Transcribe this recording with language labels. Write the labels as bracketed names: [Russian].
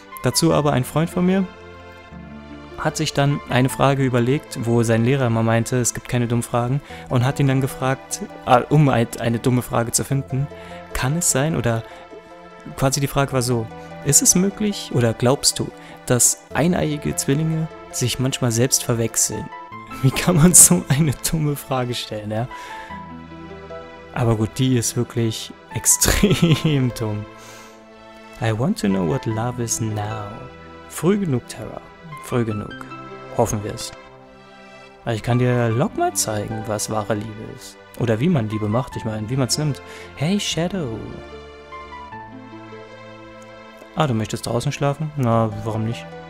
[German] Dazu aber ein Freund von mir hat sich dann eine Frage überlegt, wo sein Lehrer immer meinte, es gibt keine dummen Fragen, und hat ihn dann gefragt, um eine dumme Frage zu finden, kann es sein, oder quasi die Frage war so, ist es möglich oder glaubst du, dass eineiige Zwillinge sich manchmal selbst verwechseln? Wie kann man so eine dumme Frage stellen, ja? Aber gut, die ist wirklich extrem dumm. [English] I want to know what love is now. [German] Früh genug, Terra. Früh genug. Hoffen wir es. Ich kann dir Log mal zeigen, was wahre Liebe ist. Oder wie man Liebe macht, ich meine, wie man es nimmt. Hey, Shadow. Ah, du möchtest draußen schlafen? Na, warum nicht?